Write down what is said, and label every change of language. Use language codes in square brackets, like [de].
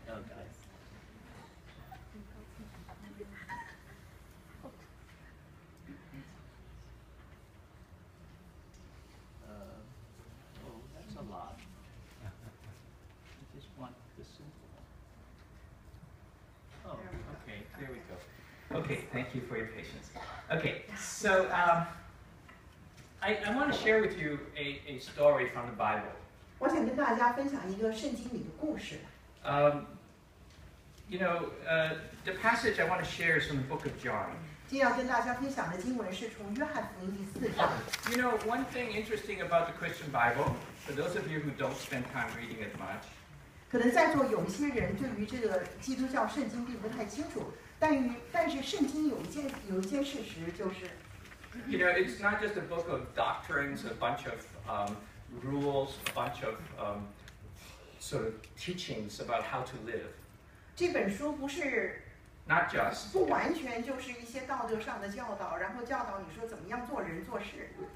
[en] Oh, guys. That's a lot. I just want the simple one. Oh, okay. There we go. Okay, thank you for your patience. Okay, so I want to share with you a story from the Bible. [zh] 我想跟大家分享一个圣经里的故事。 [en] You know, the passage I want to share is from the book of John. [zh] 今天要跟大家分享的经文是从约翰福音第四章。 [en] You know, one thing interesting about the Christian Bible, for those of you who don't spend time reading it much, [zh] 可能在座有一些人对于这个基督教圣经并不太清楚，但是圣经有一件事实就是。 [en] You know, it's not just a book of doctrines, a bunch of rules, a bunch of sort of teachings about how to live. [zh] 这本书不是 [en] not just [zh] 不完全就是一些道德上的教导，然后教导你说怎么样做人做事。